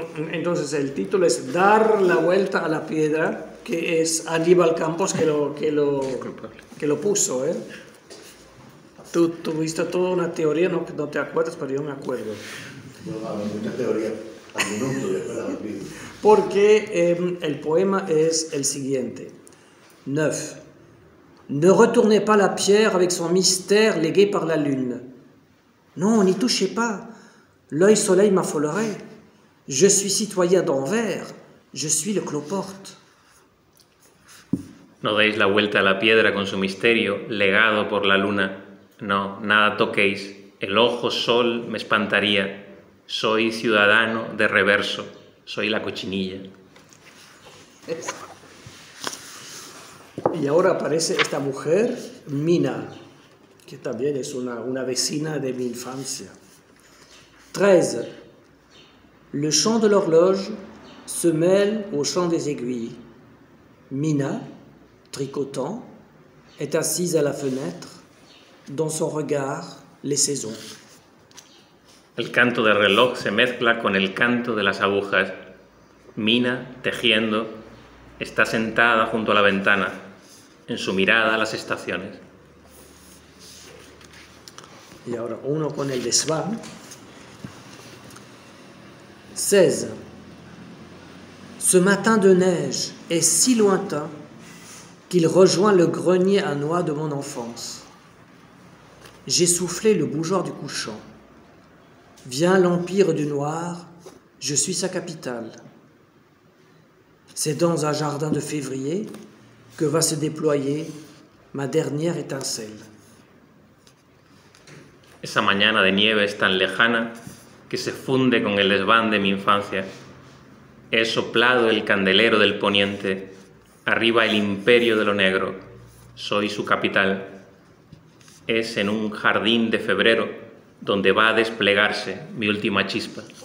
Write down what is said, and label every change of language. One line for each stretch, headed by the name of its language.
Spanish: Entonces, el título es Dar la vuelta a la piedra, que es Aníbal Campos que lo puso, ¿eh? Tú tuviste toda una teoría, no te acuerdas, pero yo me acuerdo. No, hablo mucha teoría al minuto de esperar el vídeo. Porque el poema es el siguiente. 9.
French: Ne retournez pas la pierre avec son mystère légué par la lune. Non, n'y touchez pas. L'œil soleil m'a foloré. Je suis citoyen d'Anvers. Je suis le cloporte.
Spanish: No deis la vuelta a la piedra con su misterio, legado por la luna. No, nada toquéis. El ojo sol me espantaría. Soy ciudadano de reverso. Soy la cochinilla. Y ahora aparece esta mujer, Mina, que también es una vecina de mi infancia. 13.
French: Le chant de l'horloge se mêle au chant des aiguilles. Mina, tricotant, est assise à la fenêtre, dans son regard, les saisons.
Spanish: El canto del reloj se mezcla con el canto de las agujas. Mina, tejiendo, está sentada junto a la ventana, en su mirada las estaciones. Y ahora uno con el desván. 16.
French: Ce matin de neige est si lointain qu'il rejoint le grenier à noix de mon enfance. J'ai soufflé le bougeoir du couchant. Viens l'empire du noir, je suis sa capitale. C'est dans un jardin de février que va se déployer ma dernière étincelle.
Spanish: Esa mañana de nieve es tan lejana que se funde con el desván de mi infancia. He soplado el candelero del poniente. Arriba el imperio de lo negro. Soy su capital. Es en un jardín de febrero donde va a desplegarse mi última chispa.